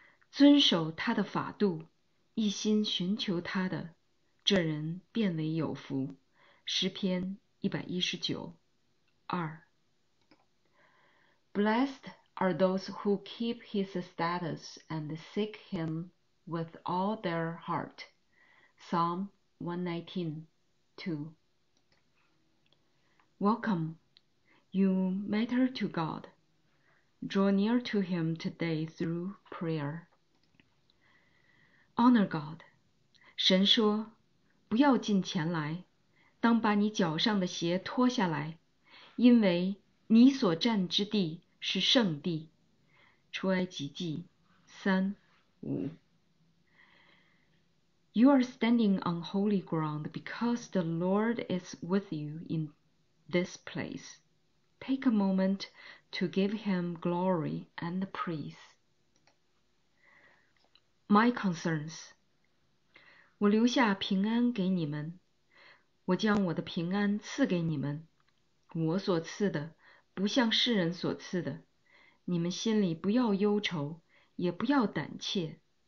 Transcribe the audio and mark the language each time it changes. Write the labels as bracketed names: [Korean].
[Chinese] 遵守他的法度，一心寻求他的，这人便为有福。诗篇119二。 [English] Blessed are those who keep his status and seek him with all their heart. Psalm 119:2. Welcome. You matter to God. Draw near to him today through prayer. Honor God. [Chinese] 神说，不要进前来，当把你脚上的鞋脱下来，因为你所站之地是圣地。出埃及记3:5。 [English] You are standing on holy ground because the Lord is with you in this place. Take a moment to give him glory and praise. My concerns. [Chinese] 我留下平安给你们，我将我的平安赐给你们。我所赐的不像世人所赐的。你们心里不要忧愁，也不要胆怯。